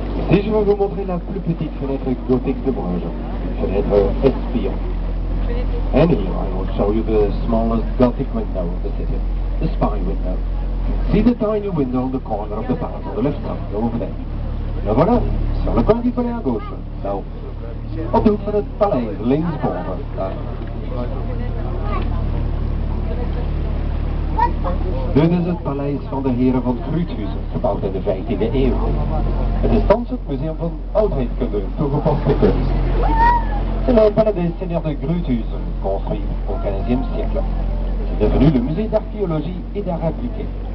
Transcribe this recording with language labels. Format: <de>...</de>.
<fr>Si je veux vous montrer la plus petite fenêtre gothique de Bruges, fenêtre espion.</fr> <en>And here I will show you the smallest gothic window of the city, the spy window. See the tiny window on the corner of the palace on the left side over there.</en> <fr>Le voilà, sur le coin du palais à gauche.</fr> <nl>Now, op de hoek van het paleis, linksboven. Dit is het paleis van de heren van Kruithuizen, gebouwd in de 15e eeuw. Het is thans het museum van oudheidkunde, toegepaste kunst.</nl> <fr>C'est le palais des seigneurs de Kruithuizen, construit au 15e siècle. C'est devenu le musée d'archéologie et d'art appliqué.</fr>